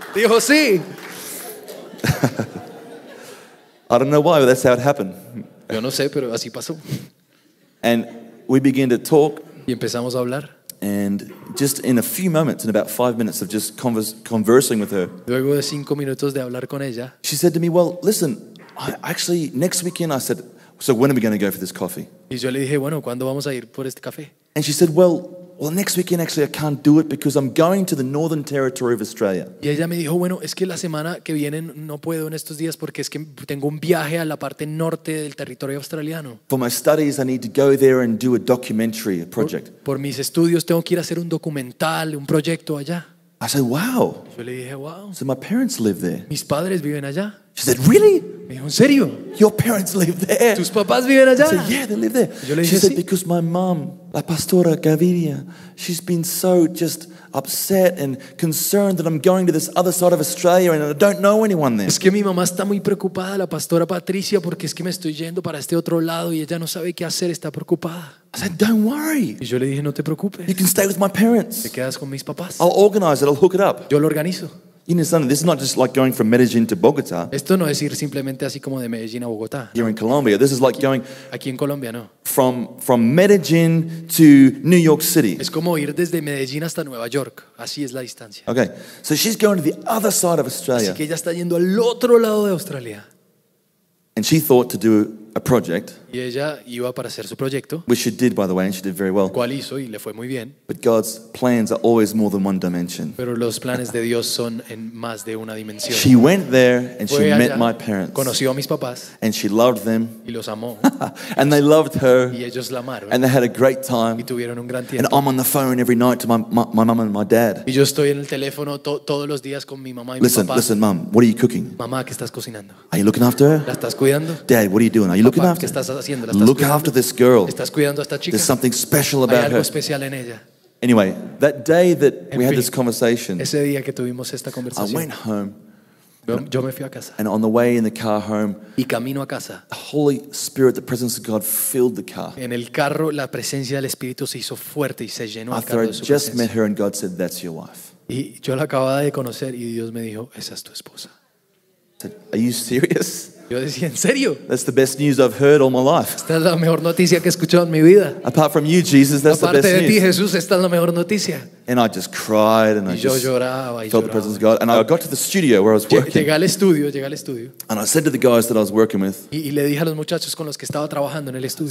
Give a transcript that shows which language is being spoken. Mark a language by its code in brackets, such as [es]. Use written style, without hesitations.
[es] Dijo sí. [en] I don't know why, but that's how it happened. [es] Yo no sé, pero así pasó. [en] And we began to talk. [es] Y empezamos a hablar. [en] And just in a few moments, in about 5 minutes of just conversing with her, [es] luego de 5 minutos de hablar con ella, [en] she said to me, "Well, listen, next weekend." I said, "So when are we going to go for this coffee?" [es] Y yo le dije, bueno, ¿cuándo vamos a ir por este café? [en] And she said, "Well, next weekend actually I can't do it because I'm going to the Northern Territory of Australia." [es] Y ella me dijo, bueno, es que la semana que viene no puedo en estos días porque es que tengo un viaje a la parte norte del territorio australiano. [en] For my studies, I need to go there and do a documentary project. [es] Por mis estudios tengo que ir a hacer un documental, un proyecto allá. [en] I said, "Wow." [es] Yo le dije, wow. [en] So my parents live there. [es] Mis padres viven allá. [en] She said, "Really?" [es] Me dijo, ¿en serio? [en] Your parents live there. [es] ¿Tus papás viven allá? [en] I said, "Yeah, they live there." [es] Yo le dije, [en] she said, [es] sí. [en] "Because my mom, la pastora Gaviria, she's been so just upset and concerned that I'm going to this other side of Australia and I don't know anyone there." [es] Es que mi mamá está muy preocupada, la pastora Patricia, porque es que me estoy yendo para este otro lado y ella no sabe qué hacer, está preocupada. [en] I said, "Don't worry." [es] Y yo le dije, no te preocupes. [en] You can stay with my parents. [es] Te quedas con mis papás. [en] I'll organize it. I'll hook it up. [es] Yo lo organizo. [en] You understand, this is not just like going from Medellin to Bogota. [es] Esto no es ir simplemente así como de Medellín a Bogotá. [en] Here in Colombia, this is like [es] aquí, [en] going [es] aquí en Colombia, no. [en] From Medellin to New York City. [es] Es como ir desde Medellín hasta Nueva York. Así es la distancia. [en] Okay, so she's going to the other side of Australia. [es] Así que ella está yendo al otro lado de Australia. [en] And she thought to do a project. [es] Y ella iba para hacer su proyecto. [en] Which she did, by the way, and she did very well. [es] Cual hizo y le fue muy bien. [en] But God's plans are always more than one dimension. [es] Pero los planes de Dios son en más de una dimensión. [en] She went there and [es] fue [en] she [es] allá, [en] met my parents. [es] Conoció a mis papás. [en] And she loved them. [es] Y los amó. [en] And they loved her. [es] Y ellos la amaron. [en] And they had a great time. [es] Y tuvieron un gran tiempo. [en] And I'm on the phone every night to my mom and my dad. [es] Y yo estoy en el teléfono todos los días con mi mamá y [en] listen, [es] mi papá. [en] Listen, mom, what are you cooking? [es] Mamá, ¿qué estás cocinando? [en] Are you looking after her? [es] ¿La estás cuidando? [en] Dad, what are you doing? Are you looking after? [es] ¿Qué estás haciendo? [en] Look [es] cuidando? [en] After this girl. [es] ¿Estás cuidando a esta chica? [en] There's something special about her. Anyway, that day that we had this conversation, [es] ese día que tuvimos esta conversación, [en] I went home. [es] Yo me fui a casa. [en] And on the way in the car home, [es] y camino a casa, [en] the Holy Spirit, the presence of God, filled the car. [es] En el carro, la presencia del Espíritu se hizo fuerte y se llenó el carro de su presencia. [en] I just met her and God said, "That's your wife." [es] Y yo la acababa de conocer y Dios me dijo, "Esa es tu esposa." [en] I said, "Are you serious?" [es] Yo decía, ¿en serio? [en] That's the best news I've heard all my life. [es] Esta es la mejor noticia que he escuchado en mi vida. [en] Apart from you, Jesus, that's [es] aparte [en] the best [es] de ti, [en] news. [es] Jesús, esta es la mejor noticia. [en] And I just cried and [es] y [en] I just [es] lloraba, [en] felt [es] lloraba. [en] The presence of God. And I got to the studio where I was working. [es] Llegué al estudio. [en] And I said to the guys that I was working with. [es] Y le dije a los muchachos con los que estaba trabajando en el estudio.